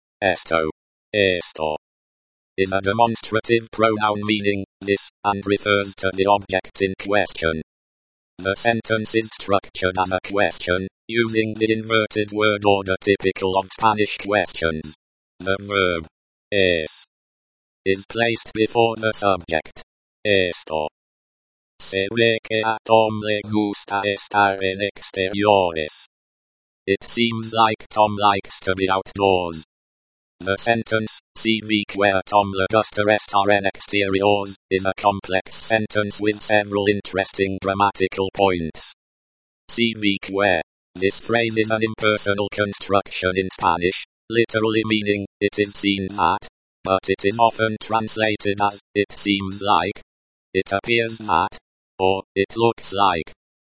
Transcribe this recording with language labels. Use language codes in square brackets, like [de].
[en] Esto, esto, is a demonstrative pronoun meaning this and refers to the object in question. The sentence is structured as a question, using the inverted word order typical of Spanish questions. The verb es is placed before the subject. [es] Esto. Se ve que a Tom le gusta estar en exteriores. [en] It seems like Tom likes to be outdoors. The sentence, [es] si ve que a Tom le gusta estar en exteriores, [en] is a complex sentence with several interesting grammatical points. [es] Si ve que, [en] this phrase is an impersonal construction in Spanish, literally meaning, it is seen that, but it is often translated as, it seems like, it appears that, or, it looks like.